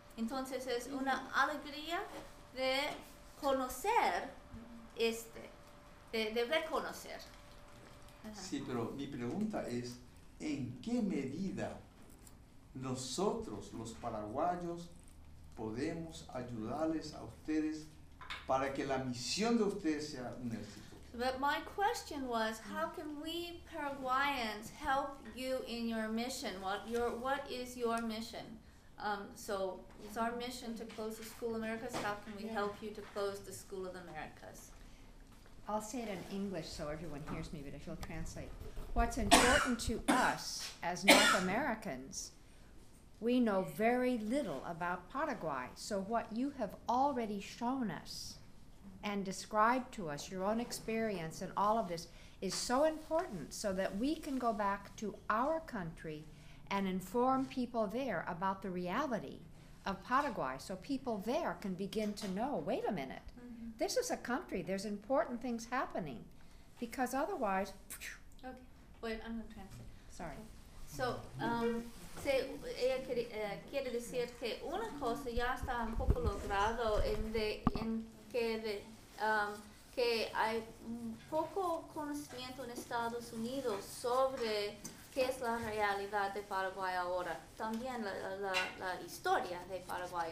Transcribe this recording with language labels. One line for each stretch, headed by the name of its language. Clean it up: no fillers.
Spanish: Entonces es una alegría de conocer de reconocer. Sí, pero mi pregunta es, ¿en qué medida Nosotros, los paraguayos, podemos ayudarles a ustedes para que la misión de ustedes sea un éxito.
English: But my question was, how can we Paraguayans help you in your mission? What is your mission? So it's our mission to close the School of Americas. How can we help you to close the School of Americas? I'll say it in English so everyone hears me, but if you'll translate. What's important to us as North Americans, we know very little about Paraguay. So what you have already shown us and described to us, your own experience and all of this, is so important so that we can go back to our country and inform people there about the reality of Paraguay, so people there can begin to know, wait a minute, this is a country, there's important things happening, because otherwise... Okay, wait, I'm going to translate. Sorry.
Spanish: So, se, ella quiere, quiere decir que una cosa ya está un poco logrado en, de, en que, de, que hay poco conocimiento en Estados Unidos sobre qué es la realidad de Paraguay ahora, también la historia de Paraguay.